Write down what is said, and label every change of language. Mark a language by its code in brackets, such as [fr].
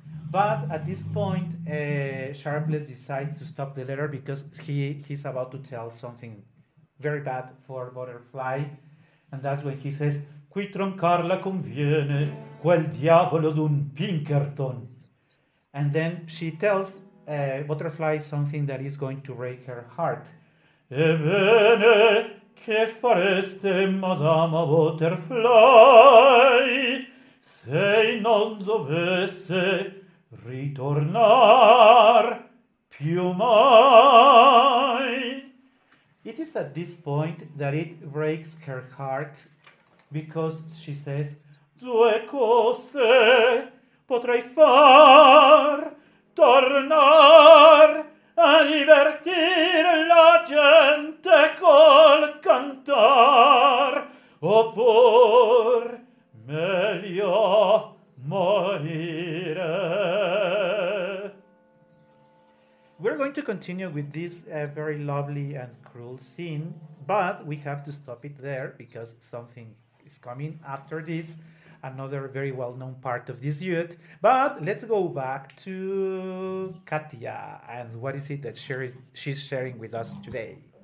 [en] But at this point, Sharpless decides to stop the letter because he's about to tell something very bad for Butterfly. And that's when he says, [it] Qui troncarla conviene, quel diavolo d'un Pinkerton. [en] And then she tells Butterfly something that is going to break her heart. [it] Ebbene, che fareste, Madame Butterfly, se non dovesse ritornar più mai? [en] It is at this point that it breaks her heart, because she says, [it] Due cose potrei far, tornar a divertir la gente col cantar, oppur meglio morire. [en] We're going to continue with this very lovely and cruel scene, but we have to stop it there because something is coming after this, another very well-known part of this duet. But let's go back to Katia and what is it that she's sharing with us today.